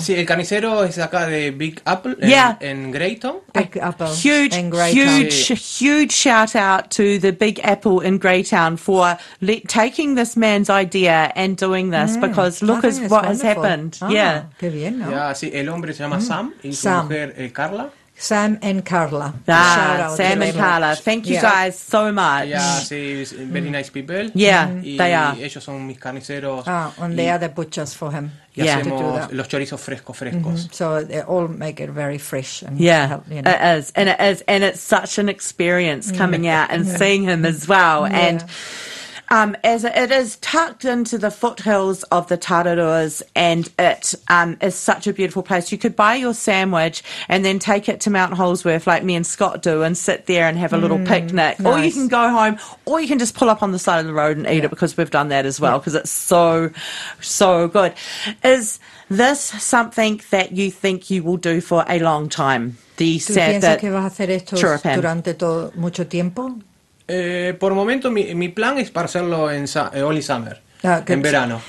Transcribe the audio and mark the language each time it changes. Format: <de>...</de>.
<es>Sí, el carnicero es acá de Big Apple en Greytown.</es> <en>Big Apple. Huge shout out to the Big Apple in Greytown for taking this man's idea and doing this because look at what has happened.</en> <es>Qué bien, ¿no? Sí, el hombre se llama Sam y su mujer Carla.</es> <en>Sam and Carla. Sam and Carla. Thank you guys so much. Very nice people. Yeah, they are.</en> <es>Ellos son mis carniceros.</es> <en>And they are the butchers for him.</en> <es>Los chorizos frescos.</es> <en>Mm-hmm. So they all make it very fresh. And It is. And it's such an experience coming out and seeing him as well. Yeah. And as it is tucked into the foothills of the Tararuas, and it is such a beautiful place. You could buy your sandwich and then take it to Mount Holdsworth, like me and Scott do, and sit there and have a little picnic. Nice. Or you can go home, or you can just pull up on the side of the road and eat it, because we've done that as well, because it's so, so good. Is this something that you think you will do for a long time?</en> <es>¿Tú piensas que vas a hacer esto durante todo mucho tiempo? Por momento mi plan es para hacerlo en</es> <en>only summer,</en> <es>en verano.</es>